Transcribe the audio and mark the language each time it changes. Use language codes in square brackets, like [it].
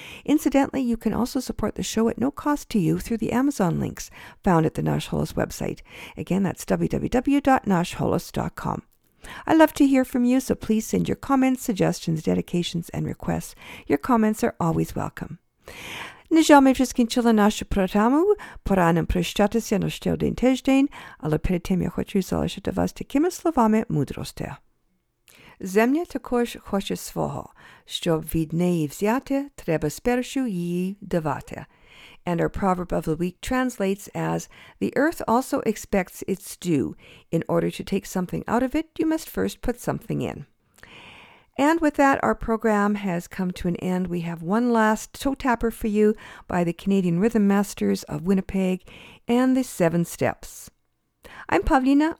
[en] Incidentally, you can also support the show at no cost to you through the Amazon links found at the Nash Holos website. Again, that's www.nashholos.com. I love to hear from you, so please send your comments, suggestions, dedications, and requests. Your comments are always welcome. [uk] Нежами вже скінчила нашу програму. Пора нам прощатися на ще один тиждень, але перед тим я хочу залишити вас такими словами мудрості. Земля також хоче свого. Щоб від неї взяти, треба спершу її давати. [en] And our proverb of the week translates as, the earth also expects its due. In order to take something out of it, you must first put something in. And with that, our program has come to an end. We have one last toe tapper for you by the Canadian Rhythm Masters of Winnipeg and the Seven Steps. I'm Pavlina.